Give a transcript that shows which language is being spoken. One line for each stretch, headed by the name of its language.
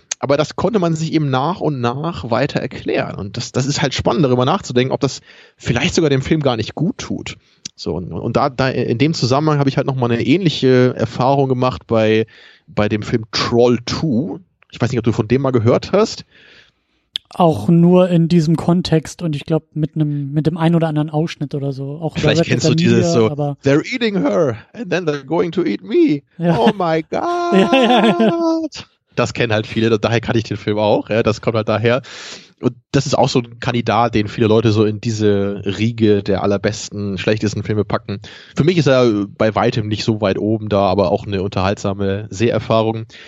German: Aber das konnte man sich eben nach und nach weiter erklären. Und das ist halt spannend, darüber nachzudenken, ob das vielleicht sogar dem Film gar nicht gut tut. So, und da in dem Zusammenhang habe ich halt nochmal eine ähnliche Erfahrung gemacht bei dem Film Troll 2. Ich weiß nicht, ob du von dem mal gehört hast. Auch nur in diesem Kontext und ich glaube mit dem ein oder anderen Ausschnitt oder so. Auch vielleicht kennst du dieses so,
English: they're eating her and then they're going to eat me.
German: Ja.
English: Oh my God.
German: Ja, ja, ja. Das kennen halt viele, daher kannte ich den Film auch, ja, das kommt halt daher. Und das ist auch so ein Kandidat, den viele Leute so in diese Riege der allerbesten, schlechtesten Filme packen. Für mich ist er bei weitem nicht so weit oben da, aber auch eine unterhaltsame Seherfahrung.